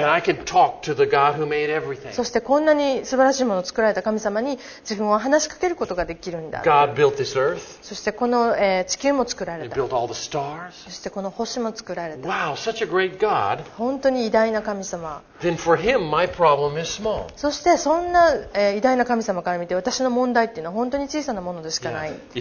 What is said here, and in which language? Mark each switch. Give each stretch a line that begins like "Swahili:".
English: And I can talk to the God who made everything.
Japanese: そしてこんなに素晴らしいものを作られた神様に自分は話しかけることができるんだ。
English: God built this earth.
Japanese: そしてこの、地球も作られた。
English: He built all the stars.
Japanese: そしてこの星も作られた。
English: Wow, such a great God.
Japanese: 本当に偉大な神様。
English: Then for him, my problem is small.
Japanese: そしてそんな、偉大な神様から見て私の問題っていうのは本当に小さなものでしかない。